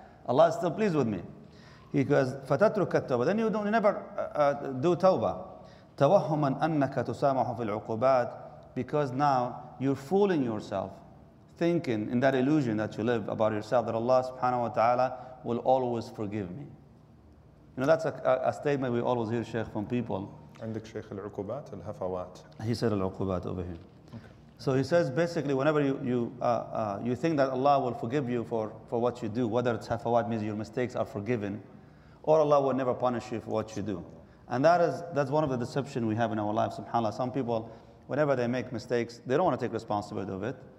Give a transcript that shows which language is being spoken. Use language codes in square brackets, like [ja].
[en] Allah is still pleased with me. He goes, [ar] فَتَتْرُكَ التَّوْبَةِ [en] Then you never do tawbah. [ar] تَوَهُّمًا أَنَّكَ تُسَامَحُ فِي الْعُقُوبَاتِ [en] Because now you're fooling yourself, thinking in that illusion that you live about yourself, that Allah subhanahu wa ta'ala will always forgive me. You know, that's a statement we always hear, Shaykh, from people. [ar] عندك شيخ العقوبات الهفوات. [en] He said العقوبات over here. Okay. So he says basically whenever you think that Allah will forgive you for what you do, whether it's hafawat means your mistakes are forgiven, or Allah will never punish you for what you do. And that's one of the deception we have in our lives, subhanAllah. Some people, whenever they make mistakes, they don't want to take responsibility of it.